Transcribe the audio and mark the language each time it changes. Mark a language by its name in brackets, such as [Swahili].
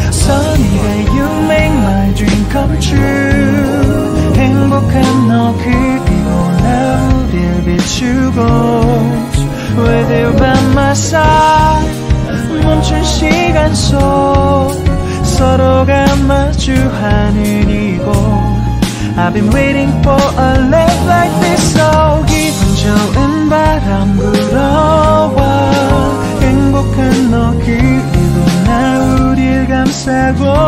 [English] Sunny day, you make my dream come true. [Korean] 행복한 너 그 뒤로 나를 비추고. [English] With you by my side, [Korean] 멈춘 시간 속 서로가 마주하는 이곳. [English] I've been waiting for a love like this. [Korean] So 기분 좋은 바람 불어와 행복한 너 그리고 나 우릴 감싸고.